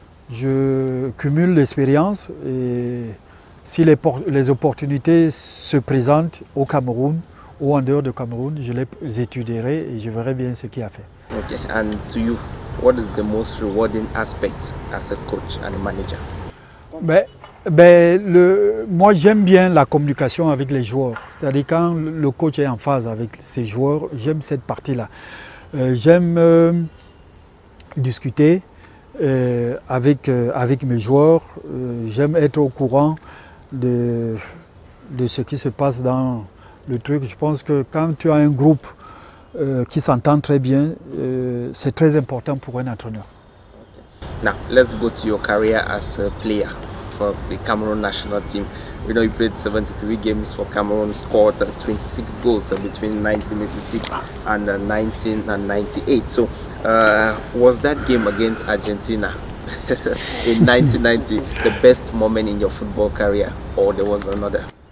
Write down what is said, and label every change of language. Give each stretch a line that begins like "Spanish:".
French: Je cumule l'expérience et si les opportunités se présentent au Cameroun ou en dehors de Cameroun, je les étudierai et je verrai bien ce qu'il y a fait.
English: Ok, and to you, what is the most rewarding aspect as a coach and a manager?
French: Moi j'aime bien la communication avec les joueurs, c'est-à-dire quand le coach est en phase avec ses joueurs, j'aime cette partie-là. J'aime discuter avec mes joueurs, j'aime être au courant de ce qui se passe dans le truc. Je pense que quand tu as un groupe qui s'entend très bien, c'est très important pour un entraîneur.
English: Now, let's go to your career as a player. For the Cameroon national team. We know you played 73 games for Cameroon, scored 26 goals between 1986 and 1998. So was that game against Argentina in 1990 the best moment in your football career, or there was another?